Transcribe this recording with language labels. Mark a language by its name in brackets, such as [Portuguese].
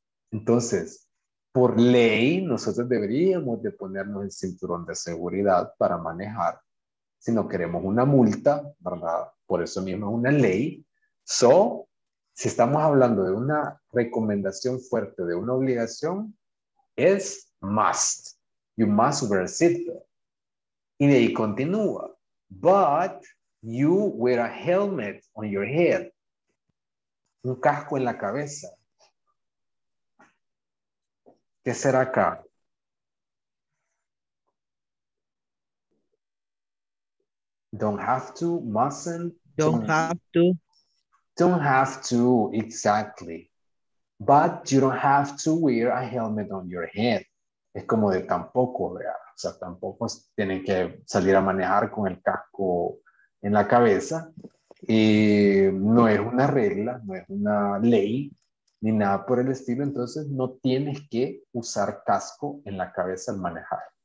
[Spanish] Entonces, por ley, nosotros deberíamos de ponernos el cinturón de seguridad para manejar. Si no queremos una multa, ¿verdad? Por eso mismo es una ley. So, si estamos hablando de una recomendación fuerte, de una obligación, es must. [English] You must wear a seatbelt. [Spanish] Y de ahí continúa. [English] But you wear a helmet on your head. [Spanish] Un casco en la cabeza. ¿Qué será acá? [English] Don't have to, mustn't. Don't have to, exactly. But you don't have to wear a helmet on your head. [Spanish] Es como de tampoco, ¿verdad? O sea, tampoco tienen que salir a manejar con el casco en la cabeza. Y no es una regla, no es una ley, ni nada por el estilo. Entonces, no tienes que usar casco en la cabeza al manejar.